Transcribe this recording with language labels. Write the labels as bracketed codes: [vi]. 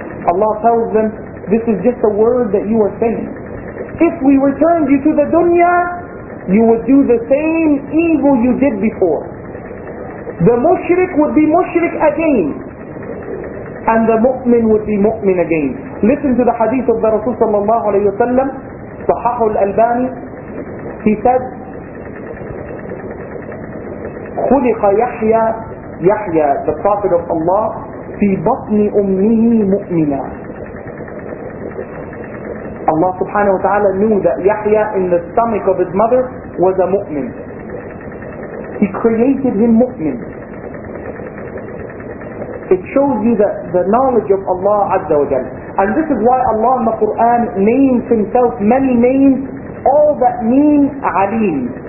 [en] Allah tells them, this is just a word that you are saying. If we returned you to the dunya, you would do the same evil you did before. The mushrik would be mushrik again. And the mu'min would be mu'min again. Listen to the hadith of the Rasul sallallahu alayhi wa sallam, Sahih al-Albani. He said, [ar] خُلِقَ يَحْيَى يَحْيَى, [en] the Prophet of Allah, [ar] فِي بَطْنِ أُمِّهِ مُؤْمِنًا. [en] Allah subhanahu wa ta'ala knew that Yahya in the stomach of his mother was a mu'min. He created him mu'min. It shows you that the knowledge of Allah Azza wa Jalla. And this is why Allah in the Quran names himself many names, all that mean Aleem.